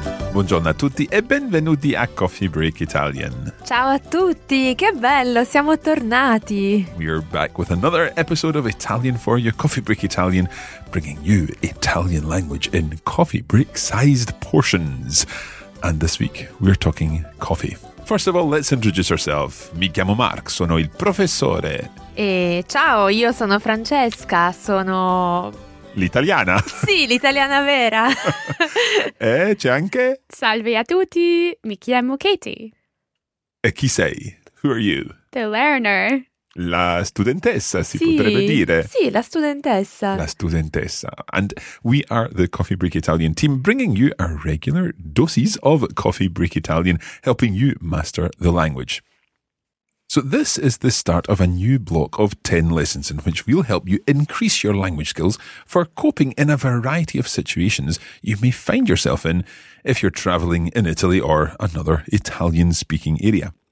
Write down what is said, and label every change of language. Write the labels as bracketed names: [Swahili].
[Italian] Buongiorno a tutti e benvenuti a Coffee Break Italian. Ciao a tutti, che bello, siamo tornati. [English] We're back with another episode of Italian for you, Coffee Break Italian, bringing you Italian language in coffee break sized portions. And this week, we're talking coffee. First of all, let's introduce ourselves. [Italian] Mi chiamo Mark, sono il professore. E ciao, io sono Francesca, sono... L'italiana? Sì, l'italiana vera. E c'è anche... Salve a tutti, mi chiamo Katie. E chi sei? [English] Who are you? The learner. [Italian] La studentessa, si potrebbe dire. Sì, la studentessa. La studentessa. [English] And we are the Coffee Break Italian team, bringing you our regular doses of Coffee Break Italian, helping you master the language. So this is the start of a new block of 10 lessons in which we'll help you increase your language skills for coping in a variety of situations you may find yourself in if you're traveling in Italy or another Italian-speaking area.